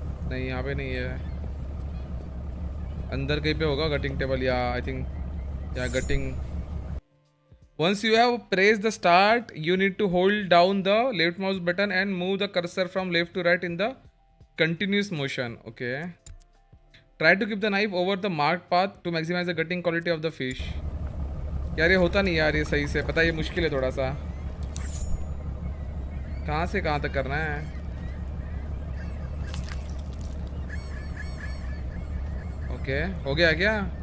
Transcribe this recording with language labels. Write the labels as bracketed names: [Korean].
[Hindi] नहीं यहाँ पे नहीं है, अंदर कहीं पे होगा गटिंग टेबल. [English] Yeah I think yeah gutting. Once you have press the start you need to hold down the left mouse button and move the cursor from left to right in the continuous motion. Okay. Try to keep the knife over the marked path to maximize the cutting quality of the fish. [Hindi] यार ये होता नहीं यार ये सही से पता ये मुश्किल है थोड़ा सा कहाँ से कहाँ तक करना है ओके हो गया क्या